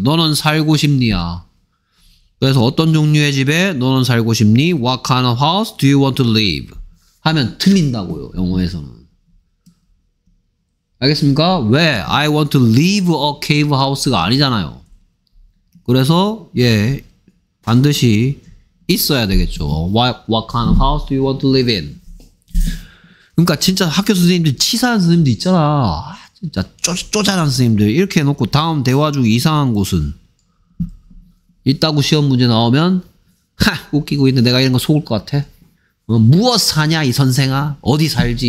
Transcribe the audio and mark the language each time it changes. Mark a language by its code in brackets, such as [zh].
[ko] 너는 살고 싶니야. 그래서 어떤 종류의 집에 너는 살고 싶니? [en] What kind of house do you want to live? [ko] 하면 틀린다고요, 영어에서는. 알겠습니까? 왜? [en] I want to leave a cave house [ko] 가 아니잖아요. 그래서 예, 반드시 있어야 되겠죠. [en] What kind of house do you want to live in? [ko] 그러니까 진짜 학교 선생님들 치사한 선생님들 있잖아. 진짜 쪼잔한 선생님들 이렇게 해놓고 다음 대화 중 이상한 곳은 있다고 시험 문제 나오면 하! 웃기고 있는데 내가 이런 거 속을 것 같아? 무엇 사냐 이 선생아? 어디 살지?